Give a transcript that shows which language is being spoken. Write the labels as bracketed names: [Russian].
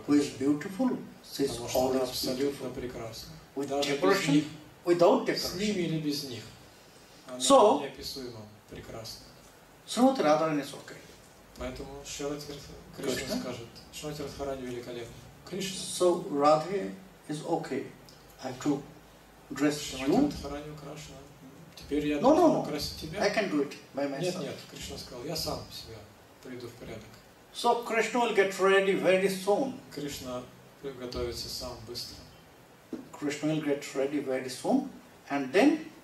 [English] Who is beautiful? She's [Russian] абсолютно прекрасна. Даже без них. [English] Without decoration. [Russian] С ними или без них. Она [English] so, [Russian] неописуемо прекрасна. [English] Srimati Radharani is okay. [Russian] Поэтому Шри Кришна скажет, Шри Радхарани великолепна. Кришна. [English] So Radhe is okay. I have to dress Shri you. [Russian] Радхарани украшена. Теперь я должен украсить тебя. [English] I can do it by myself. [Russian] Нет, нет, Кришна сказал, я сам себя приведу в порядок. [English] So Krishna will get ready very soon. [Russian] Кришна приготовится сам быстро. [English] Krishna will get ready very soon, and then.